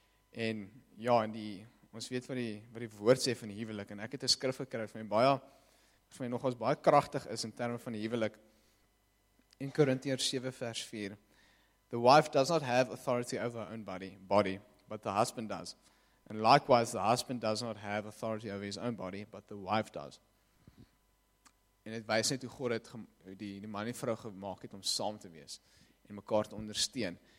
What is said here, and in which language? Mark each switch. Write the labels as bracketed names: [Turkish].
[Afrikaans] En ja, en ons weet wat die woord sê van die huwelik, en ek het 'n skrif gekry van my baie nog ons baie krachtig is in termen van die huwelik. In Korintiërs 7 vers 4. [English] The wife does not have authority over her own body, but the husband does. And likewise, the husband does not have authority over his own body, but the wife does. [Afrikaans] En het wys net hoe God het die man en vrou gemaak het om saam te wees en mekaar te ondersteun.